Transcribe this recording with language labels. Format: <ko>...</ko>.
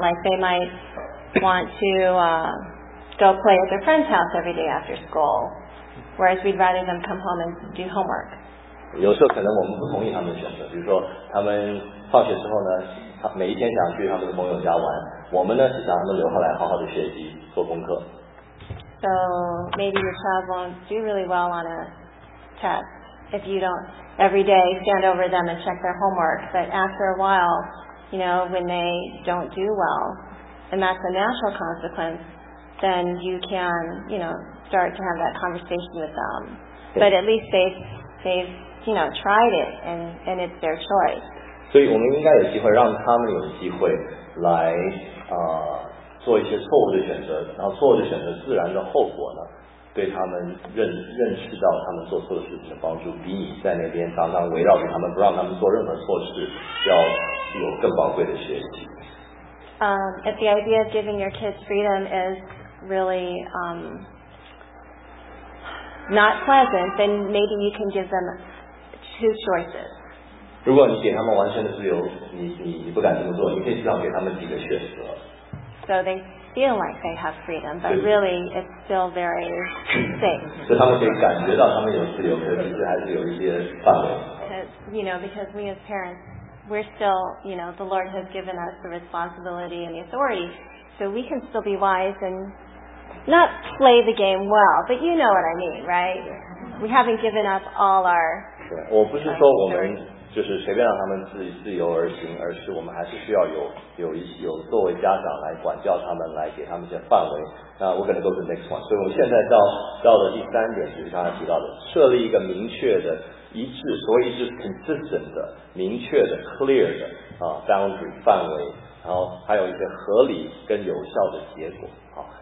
<en>Like they might want to go play at their friend's house every day after school, whereas we'd rather them come home and do homework.</en> <zh>有时候可能我们不同意他们的选择，比如说他们放学之后呢，每一天想去他们的朋友家玩，我们呢是想他们留下来好好的学习做功课。</zh> <en>So maybe your child won't do really well on a test if you don't every day stand over them and check their homework. But after a while, you know, when they don't do well, and that's a natural consequence, then you can, you know, start to have that conversation with them. But at least they've, you know, tried it and it's their choice.</en> <zh>所以我们应该有机会让他们有机会来做一些错误的选择，然后错误的选择自然的后果呢，对他们认识到他们做错的事情的帮助，比你在那边常常围绕着他们不让他们做任何错事要有更宝贵的学习。</zh> <en>If the idea of giving your kids freedom is really not pleasant, then maybe you can give them two choices.</en> <zh>如果你给他们完全的自由，你不敢这么做，你可以至少给他们几个选择。</zh> <en>So they feel like they have freedom, but really it's still very safe. So they can feel that they have freedom, but actually there are still some limits. You know, because we as parents, we're still, you know, the Lord has given us the responsibility and the authority, so we can still be wise and not play the game well, but you know what I mean, right? We haven't given up all our.</en> <zh>我不是说我们就是随便让他们自由而行，而是我们还是需要有作为家长来管教他们，来给他们一些范围。那我可能都是</zh> <en>next one。</en> <zh>所以我们现在到了第三点，就是刚才提到的，设立一个明确的一致，所谓一致 consistent 的明确的 clear 的boundary 范围，然后还有一些合理跟有效的结果。好，</zh>